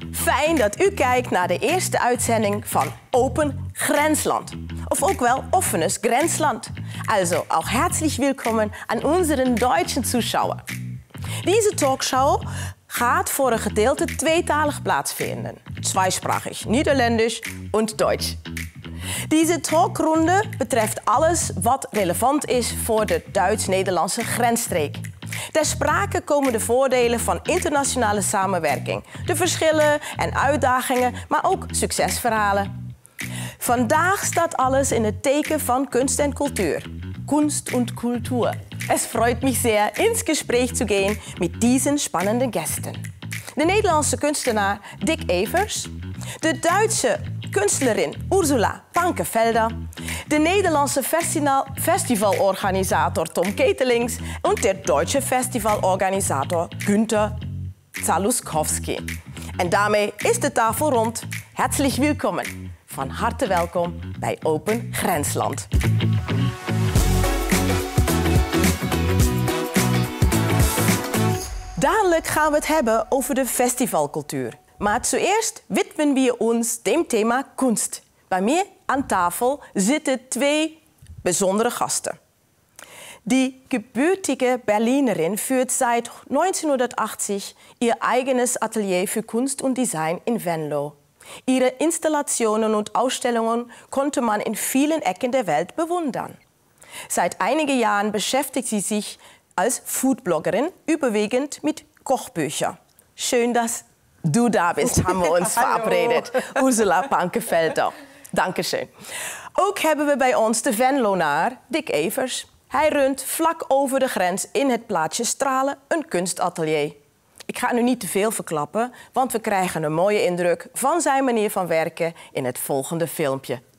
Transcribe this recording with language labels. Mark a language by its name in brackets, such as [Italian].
[Dutch] Fijn dat u kijkt naar de eerste uitzending van Open Grensland. Of ook wel Offenes Grensland. [German] Also, auch herzlich willkommen an unseren deutschen Zuschauer. Diese Talkshow [Dutch] gaat voor een gedeelte tweetalig plaatsvinden. [German] Zweisprachig, Niederländisch und Deutsch. Diese Talkrunde betrifft [Dutch] alles wat relevant is voor de Duits-Nederlandse grensstreek. Ter sprake komen de voordelen van internationale samenwerking, de verschillen en uitdagingen, maar ook succesverhalen. Vandaag staat alles in het teken van kunst en cultuur. [German] Kunst und Kultur. Es freut mich sehr, ins Gespräch zu gehen mit diesen spannenden Gästen. [Dutch] De Nederlandse kunstenaar Dick Evers, de Duitse Künstlerin Ursula Pankefelder, de Nederlandse Festivalorganisator Tom Ketelings [German] und der deutsche Festivalorganisator [Dutch] Günther Zaluskowski. En daarmee is de tafel rond. [German] Herzlich willkommen. [Dutch] Van harte welkom bij Open Grensland. Dadelijk gaan we het hebben over de festivalcultuur. Maar [German] zuerst widmen wir uns dem Thema Kunst. Bei mir an Tafel [Dutch] zitten twee [German] besondere Gasten. Die gebürtige Berlinerin führt seit 1980 ihr eigenes Atelier für Kunst und Design in Venlo. Ihre Installationen und Ausstellungen konnte man in vielen Ecken der Welt bewundern. Seit einigen Jahren beschäftigt sie sich als Foodbloggerin überwiegend mit Kochbüchern. Schön, dass du da bist, haben wir uns verabredet. Ursula Pankefelder. Dankeschön. [Dutch] Ook hebben we bij ons de Venlonaar Dick Evers. Hij runt vlak over de grens in het plaatsje Stralen een kunstatelier. Ik ga nu niet te veel verklappen, want we krijgen een mooie indruk van zijn manier van werken in het volgende filmpje.